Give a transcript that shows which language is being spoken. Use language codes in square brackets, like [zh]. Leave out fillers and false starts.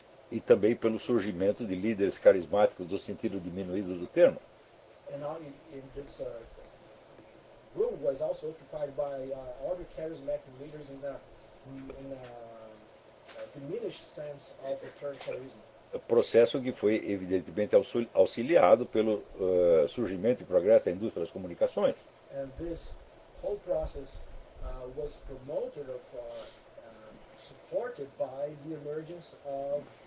[pt] E também pelo surgimento de líderes carismáticos no sentido diminuído do termo. [en] And now in this room was also occupied by other charismatic leaders in the diminished sense of the term charisma. [pt] Processo que foi evidentemente auxiliado pelo surgimento e progresso da indústria das comunicações. [en] And this whole process was promoted or supported by the emergence of